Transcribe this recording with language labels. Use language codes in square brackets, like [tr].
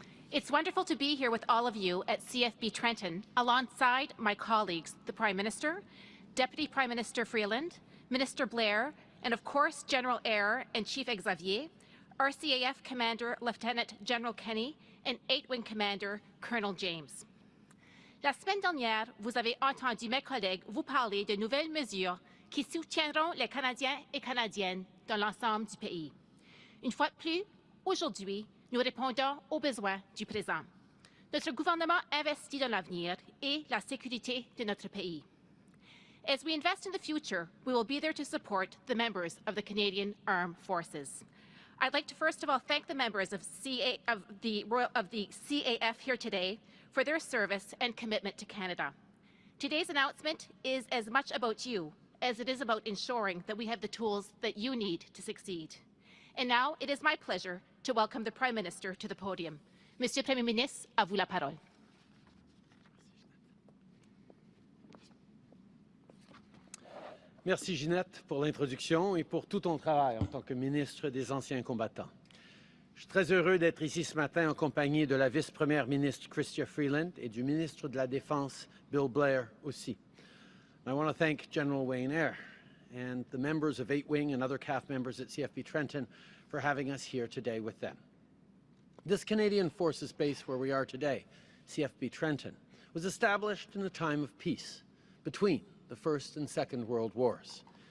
[en] It's wonderful to be here with all of you at CFB Trenton, alongside my colleagues, the Prime Minister, Deputy Prime Minister Freeland, Minister Blair, and of course, General Eyre and Chief Xavier, RCAF Commander Lieutenant General Kenny, and 8-Wing Commander Colonel James. [fr] La semaine dernière, vous avez entendu mes collègues vous parler de nouvelles mesures qui soutiendront les Canadiens et Canadiennes dans l'ensemble du pays. Une fois de plus, aujourd'hui, nous répondons aux besoins du présent. Notre gouvernement investit dans l'avenir et la sécurité de notre pays. [en] As we invest in the future, we will be there to support the members of the Canadian Armed Forces. I'd like to first of all thank the members of the CAF here today for their service and commitment to Canada. Today's announcement is as much about you as it is about ensuring that we have the tools that you need to succeed. And now it is my pleasure to welcome the Prime Minister to the podium. [fr] Monsieur le Premier ministre, à vous la parole. Merci Ginette pour l'introduction et pour tout ton travail en tant que ministre des Anciens Combattants. Je suis très heureux d'être ici ce matin en compagnie de la vice-première ministre Chrystia Freeland et du ministre de la Défense Bill Blair aussi. [en] I want to thank General Wayne Eyre and the members of 8-Wing and other CAF members at CFB Trenton for having us here today with them. This Canadian Forces Base where we are today, CFB Trenton, was established in a time of peace between the First and Second World Wars.